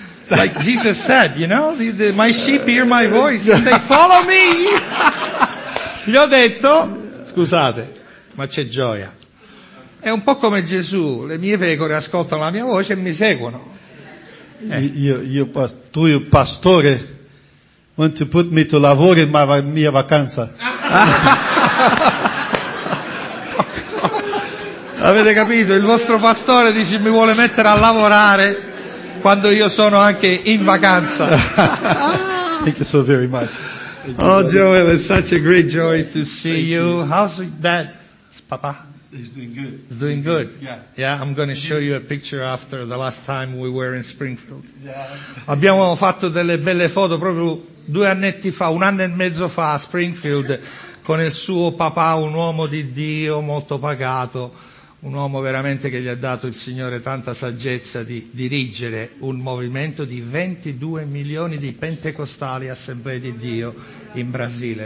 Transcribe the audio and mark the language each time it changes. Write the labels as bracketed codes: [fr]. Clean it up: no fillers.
[en] like Jesus said, you know, my sheep hear my voice and they follow me. [it] Gli ho detto, scusate, ma c'è gioia. È un po' come Gesù, le mie pecore ascoltano la mia voce e mi seguono. Io pastore, [en] want to put me to [it] lavoro in mia vacanza. Avete capito? Il vostro pastore dice mi vuole mettere a lavorare quando io sono anche in vacanza. [en] Thank you so very much. Oh, Joel, it's such a great joy to see you. How's that, papa? He's doing good. Yeah, I'm going to show you a picture after the last time we were in Springfield. Yeah. [it] Abbiamo fatto delle belle foto proprio due annetti fa, un anno e mezzo fa a Springfield con il suo papà, un uomo di Dio molto pagato, un uomo veramente che gli ha dato il Signore tanta saggezza di dirigere un movimento di 22 milioni di pentecostali assemblee di Dio in Brasile.